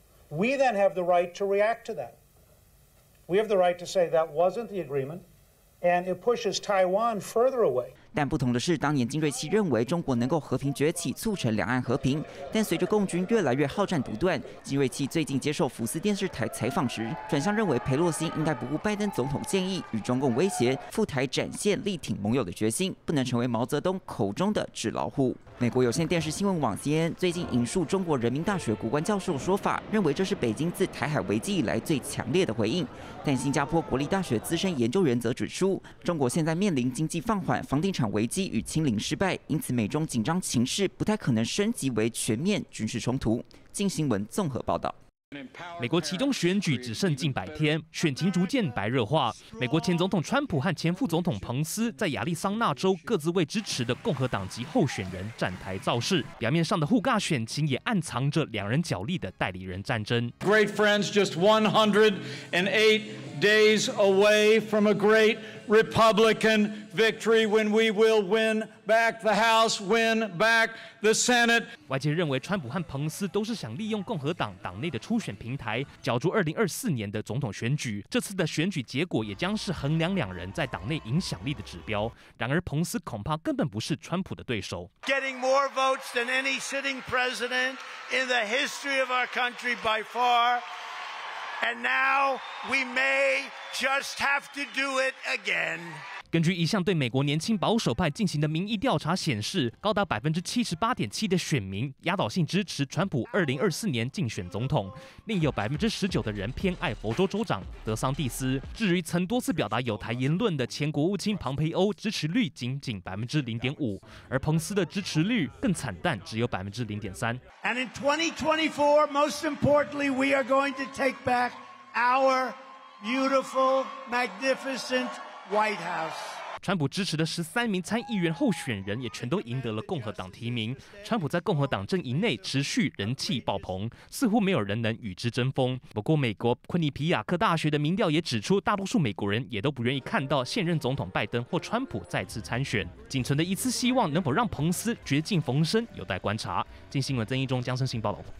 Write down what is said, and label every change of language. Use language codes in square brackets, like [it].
[en] We then have the right to react to that. We have the right to say that wasn't the agreement, and it pushes Taiwan further away. [zh] 但不同的是，当年金瑞气认为中国能够和平崛起，促成两岸和平。但随着共军越来越好战独断，金瑞气最近接受福斯电视台采访时，转向认为佩洛西应该不顾拜登总统建议与中共威胁，赴台展现力挺盟友的决心，不能成为毛泽东口中的纸老虎。美国有线电视新闻网 CNN 最近引述中国人民大学国关教授说法，认为这是北京自台海危机以来最强烈的回应。但新加坡国立大学资深研究员则指出，中国现在面临经济放缓、房地产危机与清零失败，因此美中紧张情势不太可能升级为全面军事冲突。近新闻综合报道。美国其中选举只剩近百天，选情逐渐白热化。美国前总统川普和前副总统彭斯在亚利桑那州各自为支持的共和党籍候选人站台造势，表面上的互尬选情也暗藏着两人角力的代理人战争。 [en] Great friends, just 108 days away from a great Republican victory when we will win back the House, win back the Senate. [zh] 外界认为川普和彭斯都是想利用共和党党内的初选平台角逐2024年的总统选举，这次的选举结果也将是衡量两人在党内影响力的指标。然而彭斯恐怕根本不是川普的对手。 [en] Getting more votes than any sitting president in the history of our country by far. And now we may just have to do it again. [zh] 根据一项对美国年轻保守派进行的民意调查显示，高达78.7%的选民压倒性支持川普2024年竞选总统，另有19%的人偏爱佛州州长德桑蒂斯。至于曾多次表达有台言论的前国务卿庞培欧，支持率仅仅0.5%，而彭斯的支持率更惨淡，只有0.3%。 [en] And in 2024, most importantly, we are going to take back our beautiful, magnificent. White House. [zh] 川普支持的13名参议员候选人也全都赢得了共和党提名，川普在共和党阵营内持续人气爆棚，似乎没有人能与之争锋。不过，美国昆尼皮亚克大学的民调也指出，大多数美国人也都不愿意看到现任总统拜登或川普再次参选，仅存的一次希望能否让彭斯绝境逢生，有待观察。近新闻曾一中、江生信报道。